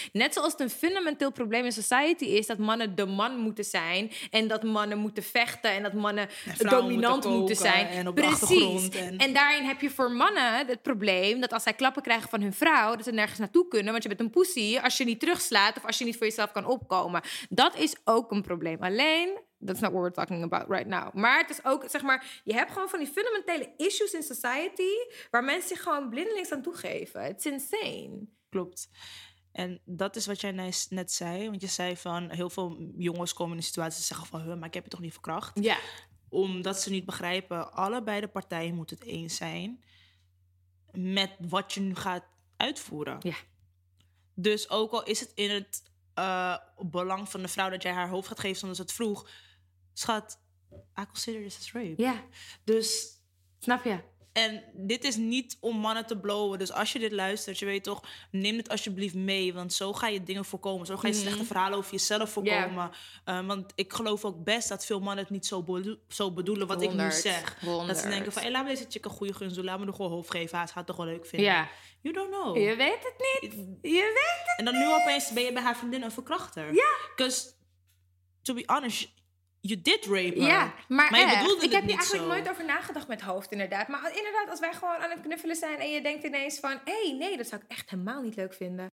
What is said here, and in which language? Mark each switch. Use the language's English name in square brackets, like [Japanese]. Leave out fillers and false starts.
[Dutch] Net zoals het een fundamenteel probleem in society is dat mannen de man moeten zijn en dat mannen moeten vechten en dat mannen dominant moeten zijn. En op precies. En daar heb je voor mannen het probleem dat als zij klappen krijgen van hun vrouw, dat ze nergens naartoe kunnen, want je bent een pussy als je niet terugslaat of als je niet voor jezelf kan opkomen. Dat is ook een probleem. Alleen, [English] that's not what we're talking about right now. [Dutch] Maar het is ook, zeg maar, je hebt gewoon van die fundamentele issues in society waar mensen zich gewoon blindelings aan toegeven. [English] It's insane. [Dutch] Klopt. En dat is wat jij net zei, want je zei van, heel veel jongens komen in een situatie en zeggen van, maar ik heb je toch niet verkracht? Ja. [English] Yeah. [Dutch] Omdat ze niet begrijpen, allebei de partijen moeten het eens zijn met wat je nu gaat uitvoeren. Ja. Dus ook al is het in het belang van de vrouw dat jij haar hoofd gaat geven zonder ze het vroeg, schat, [English] I consider this as rape. [Dutch] Ja. Dus, snap je? En dit is niet om mannen te blowen. Dus als je dit luistert, je weet toch, neem het alsjeblieft mee. Want zo ga je dingen voorkomen. Zo ga je slechte verhalen over jezelf voorkomen. [English] Yeah. [Dutch] Want ik geloof ook best dat veel mannen het niet zo bedoelen wat 100, ik nu zeg. 100. Dat ze denken van, hey, laat me deze chick een goede gunst doen. Laat me er gewoon hoofd geven. Ze gaat het toch wel leuk vinden. [English] Yeah. You don't know. [Dutch] Je weet het niet. Je weet het en dan niet. Nu opeens ben je bij haar vriendin een verkrachter. Ja. [English] Yeah. Because, to be honest, you did rape her. [Dutch] Ja, maar je bedoelde ik het heb niet eigenlijk Nooit over nagedacht met hoofd, inderdaad. Maar inderdaad, als wij gewoon aan het knuffelen zijn en je denkt ineens van, hey, nee, dat zou ik echt helemaal niet leuk vinden.